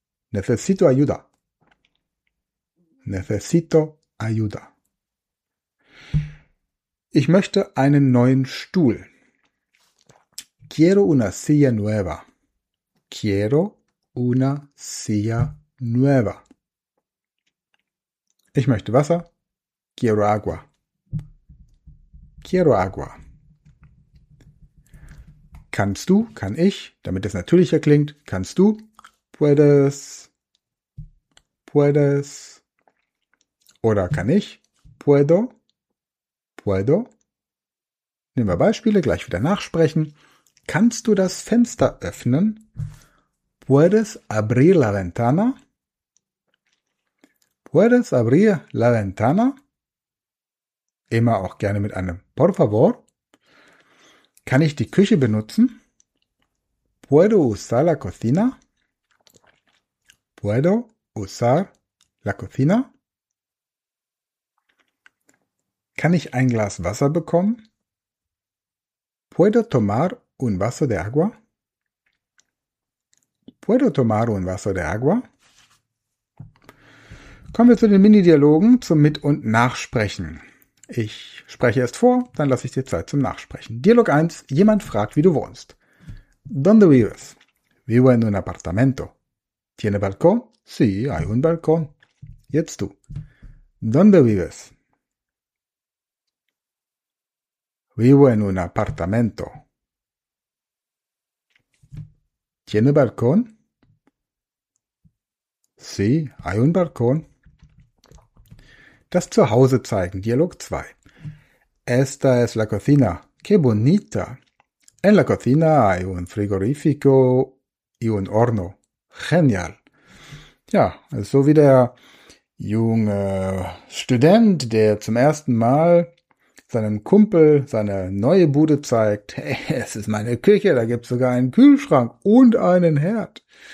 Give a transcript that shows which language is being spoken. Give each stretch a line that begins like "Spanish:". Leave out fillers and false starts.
Spanish: Necesito ayuda. Necesito ayuda.
German: Ich möchte einen neuen Stuhl.
Spanish: Quiero una silla nueva. Quiero una silla nueva.
German: Ich möchte Wasser.
Spanish: Quiero agua. Quiero agua.
German: Kannst du, kann ich, damit es natürlicher klingt, kannst du, puedes, puedes, oder kann ich, puedo, puedo. Nehmen wir Beispiele, gleich wieder nachsprechen. Kannst du das Fenster öffnen?
Spanish: Puedes abrir la ventana? Puedes abrir la ventana?
German: Immer auch gerne mit einem por favor. Kann ich die Küche benutzen?
Spanish: Puedo usar la cocina? Puedo usar la cocina?
German: Kann ich ein Glas Wasser bekommen?
Spanish: Puedo tomar un vaso de agua? Puedo tomar un vaso de agua?
German: Kommen wir zu den Mini-Dialogen, zum Mit- und Nachsprechen. Ich spreche erst vor, dann lasse ich dir Zeit zum Nachsprechen. Dialog 1. Jemand fragt, wie du wohnst.
Spanish: ¿Dónde vives? Vivo en un apartamento. ¿Tiene balcón? Sí, hay un balcón.
German: Jetzt du.
Spanish: ¿Dónde vives? Vivo en un apartamento. ¿Tiene balcón? Sí, hay un balcón.
German: Das Zuhause zeigen. Dialog 2.
Spanish: Esta es la cocina. Qué bonita. En la cocina hay un frigorífico y un horno. Genial.
German: Ja, so wie der junge Student, der zum ersten Mal seinem Kumpel seine neue Bude zeigt. Hey, es ist meine Küche, da gibt's sogar einen Kühlschrank und einen Herd.